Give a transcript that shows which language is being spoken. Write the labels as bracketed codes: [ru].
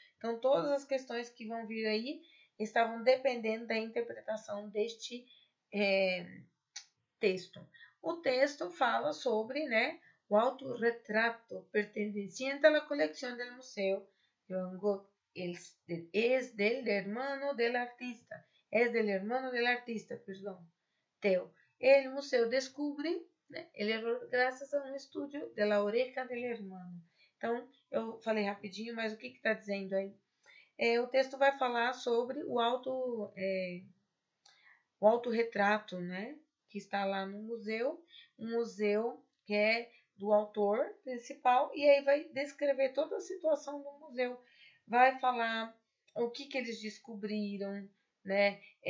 [pt] Então todas as questões que vão vir aí estavam dependendo da interpretação deste texto. O texto fala sobre, né, o autorretrato pertenciente à coleção do Museu Van Gogh. [es] Es del hermano del artista. Es del hermano del artista, perdón. Teo. El museo descubre, né, el error gracias a un estudio de la oreja del hermano. [pt] Então, eu falei rapidinho, mas o que que está dizendo aí? O texto vai falar sobre o autorretrato, né? Que está lá no museu, um museu que é do autor principal, e aí vai descrever toda a situação do museu, vai falar o que que eles descobriram, né?